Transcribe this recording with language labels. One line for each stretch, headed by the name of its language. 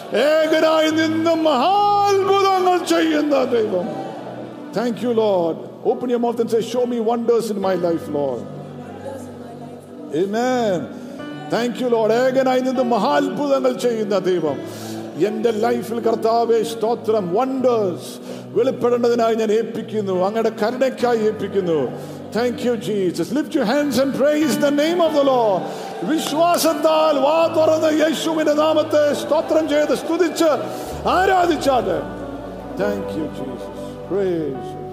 Malayalam: ഏകനായി നിന്ന് മഹാത്ഭുതങ്ങൾ ചെയ്യുന്ന ദൈവം.
English: Thank you, Lord. Open your mouth and say, show me wonders in my life, Lord. Amen. Thank you, Lord.
Malayalam: ഏകനായി നിന്ന് മഹാത്ഭുതങ്ങൾ ചെയ്യുന്ന ദൈവം എന്റെ ലൈഫിൽ. കർത്താവേ, സ്തോത്രം. വണ്ടേഴ്സ് വെളിപ്പെടേണ്ടതിനായി ഞാൻ ഏൽപ്പിക്കുന്നു, അങ്ങയുടെ കരുണയ്ക്കായി ഏൽപ്പിക്കുന്നു.
English: Thank you, Jesus. Lift your hands and praise the name of the Lord.
Malayalam: വിശ്വാസത്താൽ വാ തുറന്ന് യേശുവിന്റെ നാമത്തെ സ്തോത്രം ചെയ്ത് സ്തുതിച്ച് ആരാധിച്ചാട്ടെ.
English: Thank you, Jesus. Praise.